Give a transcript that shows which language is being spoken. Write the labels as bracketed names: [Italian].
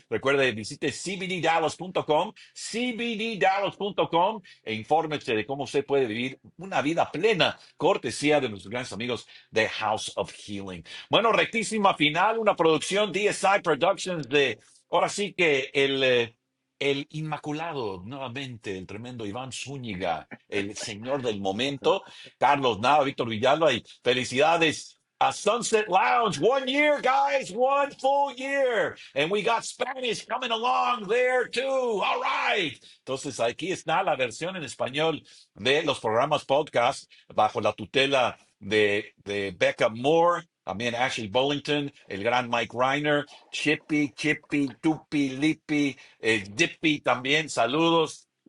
[Spanish] Recuerde, visite cbddallas.com, cbddallas.com, e infórmese de cómo usted puede vivir una vida plena, cortesía de nuestros grandes amigos de House of Healing. Bueno, rectísima final, una producción DSI Productions de, ahora sí que el Inmaculado, nuevamente, el tremendo Iván Zúñiga, el señor del momento, Carlos Nava, Víctor Villalba, y felicidades. [English] A Sunset Lounge, 1 year, guys, 1 full year. And we got Spanish coming along there too. All right. [Spanish] Entonces, aquí está la versión en español de los programas podcast bajo la tutela de Becca Moore, también Ashley Bullington, el gran Mike Reiner, Chippy, Tupi, Lippy, Dippy también. Saludos.